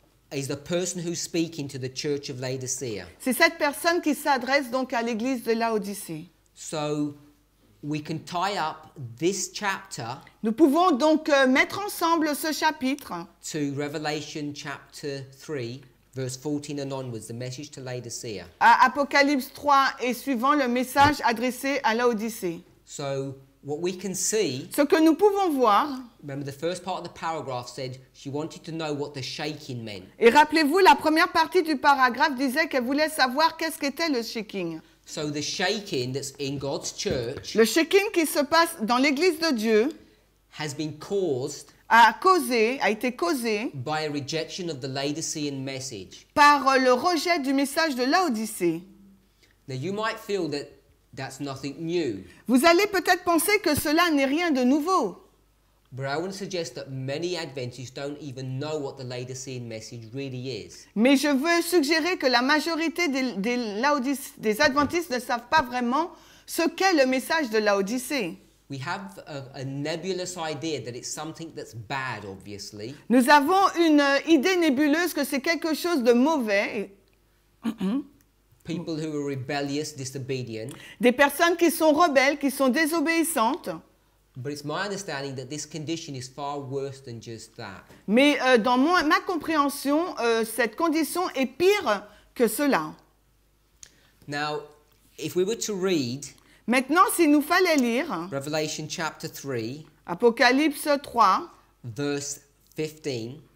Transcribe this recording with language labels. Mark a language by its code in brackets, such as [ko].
[en] is the person who's speaking to the church of Laodicea. [fr] C'est cette personne qui s'adresse donc à l'église de Laodicée. [en] So we can tie up this chapter. [fr] Nous pouvons donc mettre ensemble ce chapitre [en] to Revelation chapter 3. Verse 14 and onwards, the message to Laodicea. [fr] À Apocalypse 3 et suivant, le message adressé à Laodicée. [en] So what we can see. [fr] Ce que nous pouvons voir. [en] Remember the first part of the paragraph said she wanted to know what the shaking meant. [fr] Et rappelez-vous, la première partie du paragraphe disait qu'elle voulait savoir qu'est-ce qu'était le shaking. [en] So the shaking that's in God's church. [fr] Le shaking qui se passe dans l'église de Dieu. [en] Has been caused. [fr] A été causé [en] by a rejection of the Laodicean message. [fr] Par le rejet du message de Laodicée. [en] Now you might feel that that's nothing new. [fr] Vous allez peut-être penser que cela n'est rien de nouveau. [en] But I would suggest that many Adventists don't even know what the Laodicean message really is. [fr] Mais je veux suggérer que la majorité des Adventistes ne savent pas vraiment ce qu'est le message de Laodicée. [en] We have a nebulous idea that it's something that's bad, obviously. [fr] Nous avons une idée nébuleuse que c'est quelque chose de mauvais. [en] People who are rebellious, disobedient. [fr] Des personnes qui sont rebelles, qui sont désobéissantes. [en] But it's my understanding that this condition is far worse than just that. [fr] Mais dans ma compréhension, cette condition est pire que cela. [en] Now, if we were to read. [fr] Maintenant, s'il nous fallait lire [en] Revelation chapter 3, [fr] Apocalypse 3, [en] verse 15,